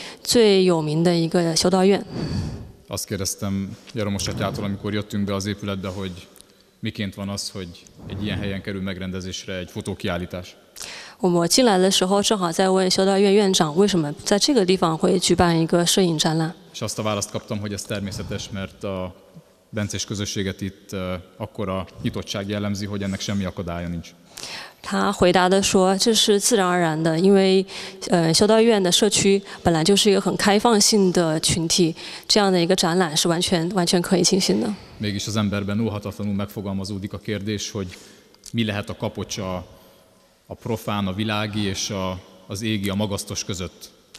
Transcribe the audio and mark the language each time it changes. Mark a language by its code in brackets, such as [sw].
[zh] 这是匈牙利最美、最有名的一个修道院。 [hu] Azt kérdeztem Jaromos atyától, amikor jöttünk be az épületbe, hogy miként van az, hogy egy ilyen helyen kerül megrendezésre egy fotókiállítás. [zh] 我进来的时候正好在问修道院院长为什么在这个地方会举办一个摄影展览。 [hu] És azt a választ kaptam, hogy ez természetes, mert a bencés közösséget itt akkora nyitottság jellemzi, hogy ennek semmi akadálya nincs. [zh] 他回答的说，这是自然而然的，因为修道院的社区本来就是一个很开放性的群体，这样的一个展览是完全可以进行的。 [hu] Mégis az emberben óhatatlanul megfogalmazódik a kérdés, hogy mi lehet a kapocs a profán, a világi és az égi, a magasztos között.